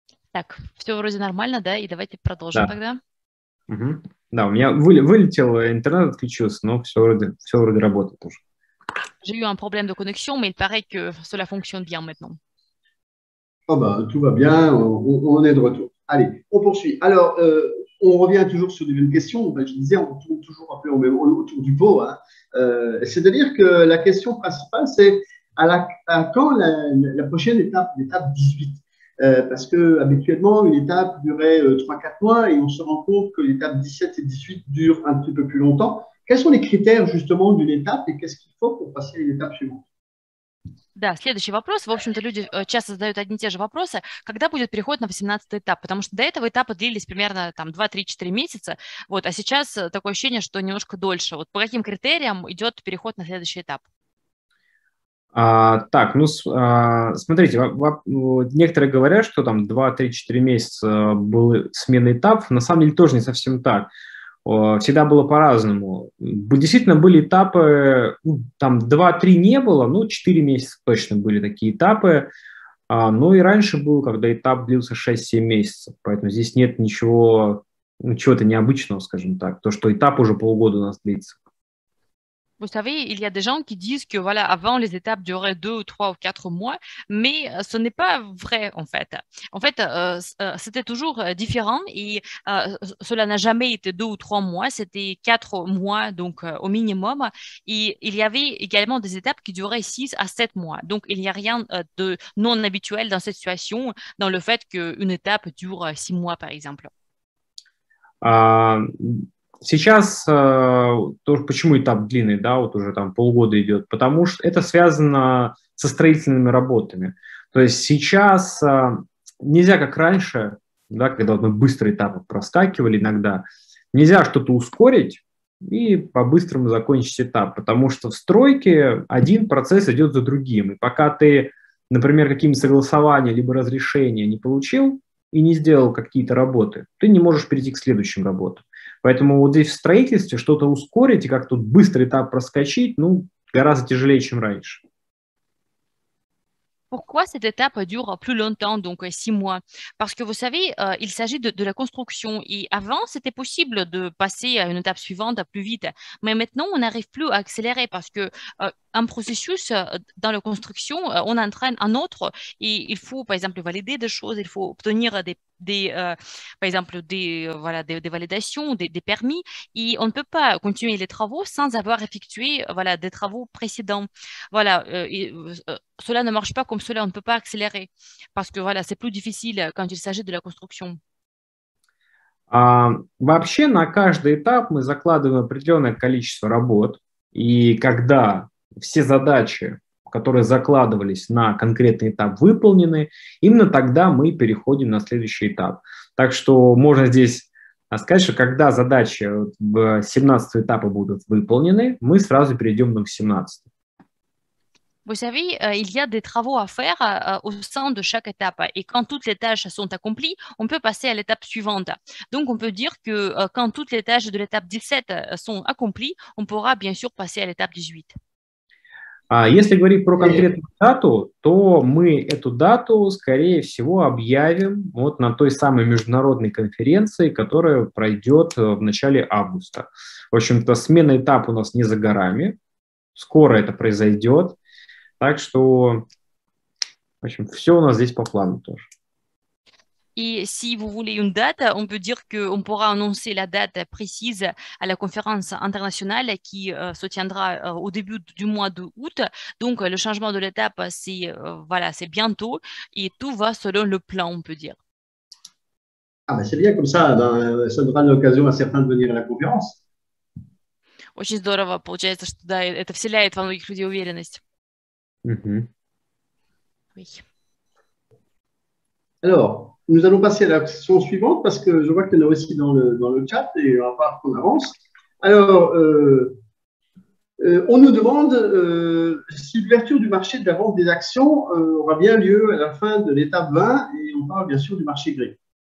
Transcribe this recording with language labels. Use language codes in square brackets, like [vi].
[ru] Так, все вроде нормально, да? И давайте продолжим Да. тогда. Да, у меня вылетел интернет, отключился, но все вроде работает уже. [fr] J'ai eu un problème de connexion, mais il paraît que cela fonctionne bien maintenant. Oh ben, tout va bien, on est de retour. Allez, on poursuit. Alors, on revient toujours sur les mêmes questions. Ben, je disais, on tourne toujours un peu autour du pot, hein. C'est-à-dire que la question principale, c'est à quand la prochaine étape, l'étape 18? Parce que habituellement, une étape durait 3-4 mois et on se rend compte que l'étape 17 et 18 durent un petit peu plus longtemps. Quels sont les critères justement d'une étape et qu'est-ce qu'il faut pour passer à une étape suivante? [ru] Да, следующий вопрос. В общем-то, люди часто задают одни и те же вопросы. Когда будет переход на 18-й этап? Потому что до этого этапы длились примерно там 2-3-4 месяца. Вот, а сейчас такое ощущение, что немножко дольше. Вот по каким критериям идет переход на следующий этап? Смотрите, некоторые говорят, что там 2-3-4 месяца был сменный этап. На самом деле тоже не совсем так. Всегда было по-разному. Действительно, были этапы, там 2-3 не было, ну, 4 месяца точно были такие этапы. Ну и раньше был, когда этап длился 6-7 месяцев, поэтому здесь нет ничего, ну, чего-то необычного, скажем так, то, что этап уже полгода у нас длится. [fr] Vous savez, il y a des gens qui disent que voilà, avant les étapes duraient 2, 3 ou 4 mois, mais ce n'est pas vrai en fait. En fait, c'était toujours différent et cela n'a jamais été 2 ou 3 mois, c'était 4 mois donc au minimum. Et il y avait également des étapes qui duraient 6 à 7 mois. Donc il n'y a rien de non habituel dans cette situation, dans le fait qu'une étape dure 6 mois par exemple. [ru] Сейчас тоже почему этап длинный, да, вот уже там полгода идет, потому что это связано со строительными работами. То есть сейчас нельзя, как раньше, да, когда мы быстрые этапы проскакивали иногда, нельзя что-то ускорить и по-быстрому закончить этап, потому что в стройке один процесс идет за другим. И пока ты, например, какие-нибудь согласования либо разрешения не получил и не сделал какие-то работы, ты не можешь перейти к следующим работам. Поэтому вот здесь в строительстве что-то ускорить и как тут быстрый этап проскочить, ну, гораздо тяжелее, чем раньше. [fr] Pourquoi cette étape dure plus longtemps, donc 6 mois? Parce que vous savez, il s'agit de la construction. Et avant, c'était possible de passer à une étape suivante plus vite. Mais maintenant, on n'arrive plus à accélérer parce que un processus dans la construction, on entraîne un autre. Et il faut, par exemple, valider des choses. Il faut obtenir par exemple, des validations, des permis. Et on ne peut pas continuer les travaux sans avoir effectué, voilà, des travaux précédents. Voilà. Cela ne marche pas comme cela, on ne peut pas accélérer, parce que voilà, c'est plus difficile quand il s'agit de la construction. [ru] Вообще, на каждый этап мы закладываем определенное количество работ, и когда все задачи, которые закладывались на конкретный этап, выполнены, именно тогда мы переходим на следующий этап. Так что можно здесь сказать, что когда задачи 17-го этапа будут выполнены, мы сразу перейдем на 18-й. [fr] Vous savez, il y a des travaux à faire au sein de chaque étape. Et quand toutes les tâches sont accomplies, on peut passer à l'étape suivante. Donc, on peut dire que quand toutes les tâches de l'étape 17 sont accomplies, on pourra bien sûr passer à l'étape 18. [ru] Если говорить про конкретную дату, то мы эту дату, скорее всего, объявим вот на той самой международной конференции, которая пройдет в начале августа. В общем-то, смена этапа у нас не за горами. Скоро это произойдет. Так что, в общем, все у нас здесь по плану тоже. И [fr] si vous voulez une date, on peut dire que on pourra annoncer la date précise à la conférence internationale qui se tiendra au début du mois d'août. Donc le changement de l'étape, c'est voilà, c'est bientôt et tout va selon le plan, on peut dire. Ah ben c'est bien comme ça. Ça donnera l'occasion à certains de venir à la conférence. [ru] Очень здорово получается, что да, это вселяет во многих людей уверенность. [fr] Alors, nous allons passer à la question suivante parce que je vois qu'il y en a aussi dans le chat et on va voir qu'on avance. Alors, on nous demande si l'ouverture du marché de la vente des actions aura bien lieu à la fin de l'étape 20 et on parle bien sûr du marché gris.